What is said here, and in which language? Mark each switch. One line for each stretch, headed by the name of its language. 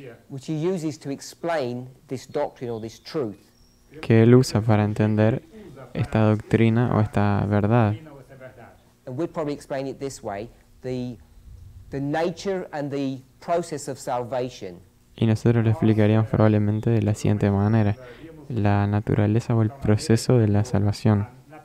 English: which he uses to explain this doctrine or this truth.
Spanish: Que él usa para entender esta doctrina o esta verdad.
English: And we'd probably explain it this way, the nature and the process of salvation.
Spanish: Y nosotros lo explicaríamos probablemente de la siguiente manera, la naturaleza o el proceso de la salvación.